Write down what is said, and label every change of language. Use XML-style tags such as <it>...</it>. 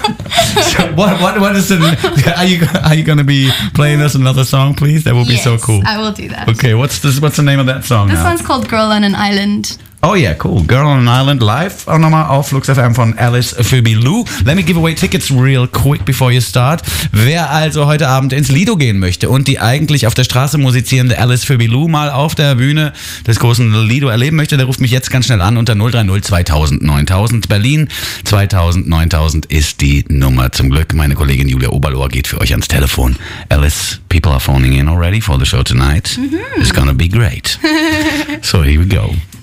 <en>So what is it? Are you gonna be playing us another song, please? That would be so cool. I will do that. Okay, what's this? What's the name of that song? This one's called "Girl on an Island." Oh yeah, cool. "Girl on an Island" live on our Auf Lux FM von Alice Phoebe Lou. Let me give away tickets real quick before you start.</en> <de>Wer also heute Abend ins Lido gehen möchte und die eigentlich auf der Straße musizierende Alice Phoebe Lou mal auf der Bühne des großen Lido erleben möchte, der ruft mich jetzt ganz schnell an unter 030 2000 9000 Berlin. 2000 9000 ist die Nummer. Zum Glück, meine Kollegin Julia Oberlohr geht für euch ans Telefon.</de> <en>Alice, people are phoning in already for the show tonight. Mm-hmm. It's gonna be great. So here we go.</en>